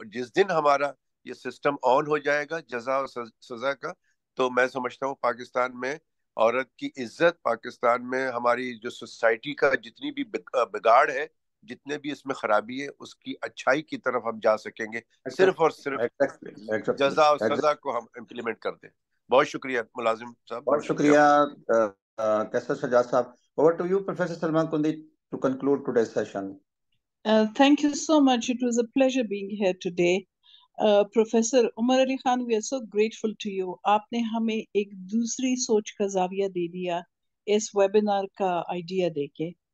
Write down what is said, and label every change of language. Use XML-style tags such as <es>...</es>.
<ur>جس دن ہمارا یہ سسٹم آن ہو جائے گا جزا اور سزا کا، تو میں سمجھتا ہوں پاکستان میں عورت کی عزت، پاکستان میں ہماری جو سوسائٹی کا جتنی بھی بگاڑ ہے، جتنے بھی اس میں خرابی ہے، اس کی اچھائی کی طرف ہم جا سکیں گے صرف اور صرف جزا اور سزا کو ہم امپلیمنٹ کر دیں. بہت شکریہ ملازم صاحب. بہت شکریہ کیسر سجاد صاحب.</ur> <en>Over to you professor Salman Kundi to conclude today session. Thank you so much, it was a pleasure being here today. Professor Umar Ali Khan, we are so grateful to you,</en> <ur>آپ نے ہمیں ایک دوسری سوچ کا زاویہ دے دیا اس ویبینار کا آئیڈیا دے کے.</ur>